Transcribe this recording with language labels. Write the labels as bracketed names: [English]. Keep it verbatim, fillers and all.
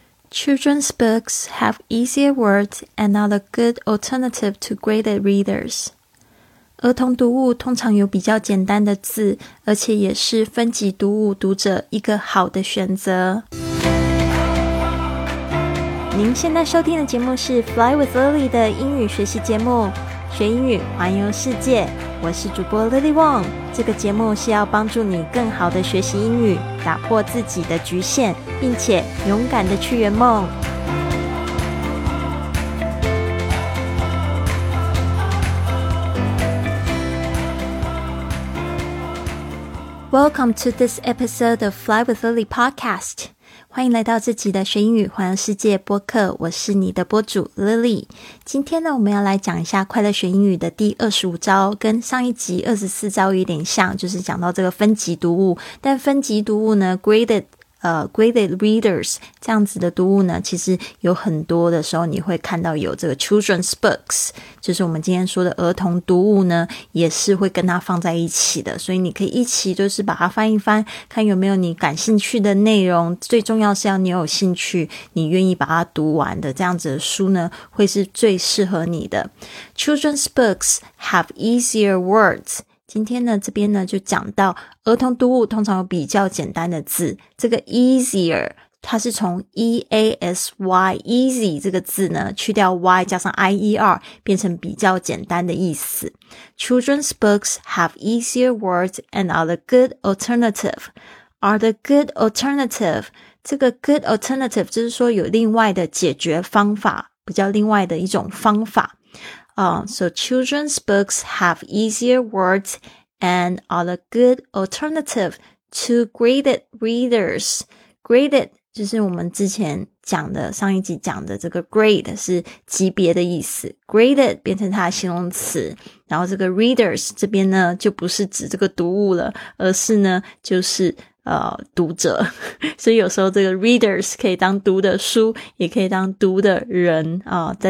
[English] Children's books have easier words and are a good alternative to graded readers. [Chinese] 儿童读物通常有比较简单的字，而且也是分级读物读者一个好的选择。您现在收听的节目是 Fly with Lily 的英语学习节目，学英语环游世界。我是主播 Lily Wong。这个节目是要帮助你更好的学习英语，打破自己的局限，并且勇敢的去圆梦。 [English] Welcome to this episode of Fly with Lily podcast. [Chinese] 欢迎来到这集的学英语环游世界播客，我是你的播主 Lily。今天呢，我们要来讲一下快乐学英语的第二十五招，跟上一集二十四招有点像，就是讲到这个分级读物。但分级读物呢 graded呃 graded readers 这样子的读物呢，其实有很多的时候你会看到有这个 children's books， 就是我们今天说的儿童读物呢，也是会跟它放在一起的，所以你可以一起就是把它翻一翻，看有没有你感兴趣的内容，最重要是要你有兴趣，你愿意把它读完的，这样子的书呢，会是最适合你的。 [English] Children's books have easier words。 [Chinese] 今天呢，这边呢就讲到儿童读物通常有比较简单的字。这个 easier 它是从 E A S Y easy 这个字呢去掉 y 加上 I E R 变成比较简单的意思。 [English] Children's books have easier words and are the good alternative. Are the good alternative. [Chinese] 这个 good alternative 就是说有另外的解决方法，比较另外的一种方法。 [English] Uh, so children's books have easier words and are a good alternative to graded readers. [Chinese] Graded 就是我们之前讲的，上一集讲的这个 grade 是级别的意思， graded 变成它的形容词，然后这个 readers 这边呢就不是指这个读物了，而是呢就是呃，读者，所以有时候这个 readers 可以当读的书，也可以当读的人啊、哦。